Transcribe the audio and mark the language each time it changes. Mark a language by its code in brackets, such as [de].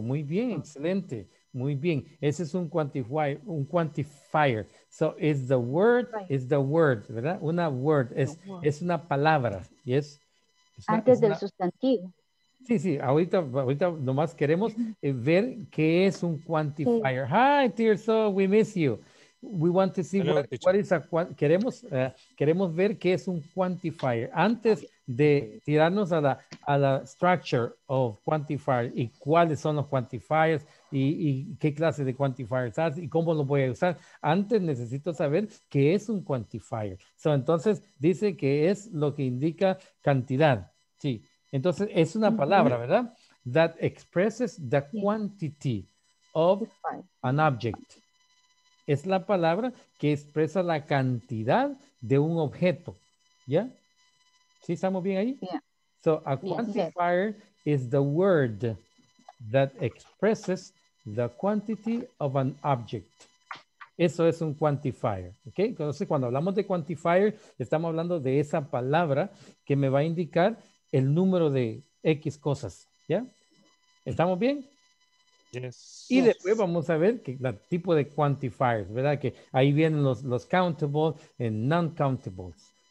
[es] Muy bien, excelente. Muy bien. Ese es un quantifier. [en] So it's the word, right. It's the word, [es] ¿verdad? [en] Una word, [es] es una palabra, [en] yes? It's [es] antes una, del sustantivo. Sí, sí, ahorita nomás queremos ver qué es un quantifier. Sí. [en] Hi, Tirso, we miss you. We want to see what is a quantifier. [es] Queremos ver qué es un quantifier. Antes de tirarnos a la [en] structure of quantifier [es] y cuáles son los quantifiers, y qué clase de quantifiers has y cómo lo voy a usar. Antes necesito saber qué es un quantifier. [en] So, [es] entonces, dice que es lo que indica cantidad. Sí. Entonces, es una palabra, ¿verdad? [en] That expresses the quantity of an object. [es] Es la palabra que expresa la cantidad de un objeto. ¿Ya? ¿Sí estamos bien ahí? [en] Yeah. So, a quantifier is the word that expresses the quantity of an object. [es] Eso es un quantifier. [en] Okay? [es] Entonces, cuando hablamos de quantifier, estamos hablando de esa palabra que me va a indicar el número de X cosas. ¿Ya? ¿Estamos bien? [en] Yes. [es] Y después vamos a ver que el tipo de quantifiers, ¿verdad? Que ahí vienen los countables y non-countables.